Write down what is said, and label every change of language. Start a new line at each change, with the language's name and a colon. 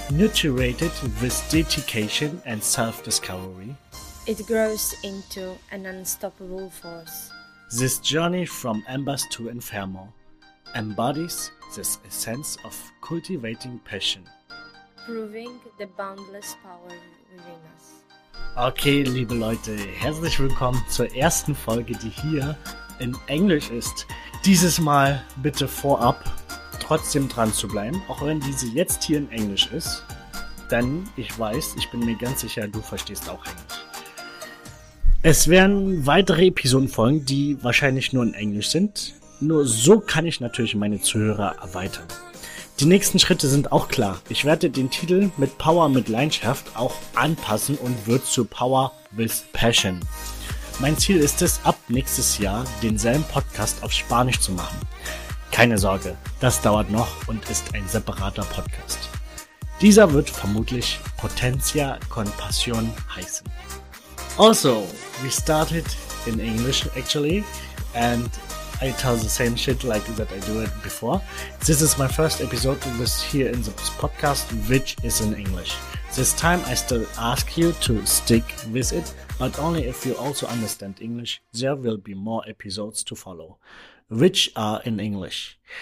English: nurtured with dedication and self-discovery, it grows into an unstoppable force. This journey from embers to inferno embodies this essence of cultivating passion, proving the boundless power within us.
German: Okay, liebe Leute, herzlich willkommen zur ersten Folge, die hier in Englisch ist. Dieses Mal bitte vorab trotzdem dran zu bleiben, auch wenn diese jetzt hier in Englisch ist, denn ich weiß, ich bin mir ganz sicher, du verstehst auch Englisch. Es werden weitere Episoden folgen, die wahrscheinlich nur in Englisch sind. Nur so kann ich natürlich meine Zuhörer erweitern. Die nächsten Schritte sind auch klar. Ich werde den Titel mit Power mit Leidenschaft auch anpassen und wird zu Power with Passion. Mein Ziel ist es, ab nächstes Jahr denselben Podcast auf Spanisch zu machen. Keine Sorge, das dauert noch und ist ein separater Podcast. Dieser wird vermutlich Potencia con Passion heißen.
English: Also, we started in English actually and I tell the same shit like that I do it before. This is my first episode with here in this podcast, which is in English. This time I still ask you to stick with it, but only if you also understand English, there will be more episodes to follow, which are in English.